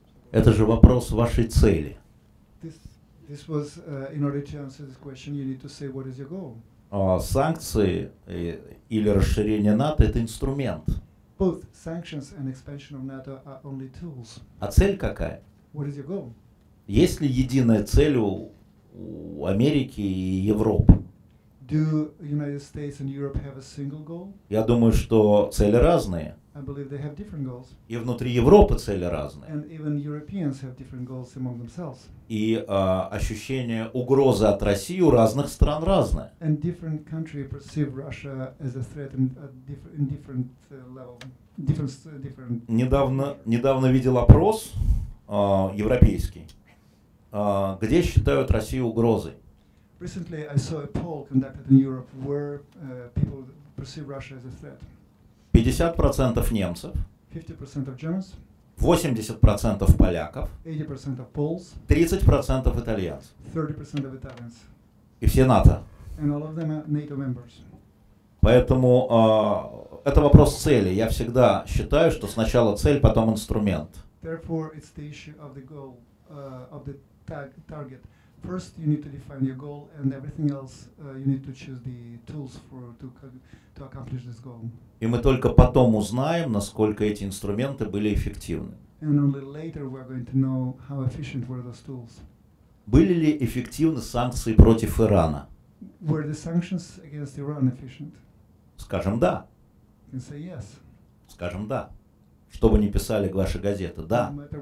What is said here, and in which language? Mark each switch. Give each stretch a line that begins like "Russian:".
Russian: Это же вопрос вашей цели.
English: This was in order to answer this question, you need to say what is your goal.
Russian: Санкции или расширение НАТО — это инструмент.
English: Both sanctions and expansion of NATO are only tools.
Russian: А цель какая?
English: What is your goal?
Russian: Есть ли единая цель у Америки и Европы?
English: Do United States and Europe have a single goal?
Russian: Я думаю, что цели разные.
English: I believe they have different goals.
Russian: И внутри Европы цели разные.
English: And even Europeans have different goals among themselves.
Russian: И ощущение угрозы от России у разных стран разное.
English: And different countries perceive Russia as a threat in different level. Different.
Russian: Недавно видел опрос европейский, где считают Россию угрозой.
English: Recently, I saw a poll conducted in Europe where people perceive Russia as a threat.
Russian: 50% немцев.
English: 50% of Germans.
Russian: 80% поляков.
English: 80% of Poles.
Russian: 30% итальянцев.
English: 30% of Italians.
Russian: И все НАТО.
English: And all of them are NATO members.
Russian: Поэтому это вопрос цели. Я всегда считаю, что сначала цель, потом инструмент.
English: Therefore, it's the issue of the goal, of the target. First, you need to define your goal, and everything else you need to choose the tools for to accomplish this goal.
Russian: И мы только потом узнаем, насколько эти инструменты были эффективны.
English: And only later we're going to know how efficient were those tools.
Russian: Были ли эффективны санкции против Ирана?
English: Were the sanctions against Iran efficient?
Russian: Скажем да.
English: You can say yes.
Russian: Скажем да. Что бы ни писали ваши газеты, да.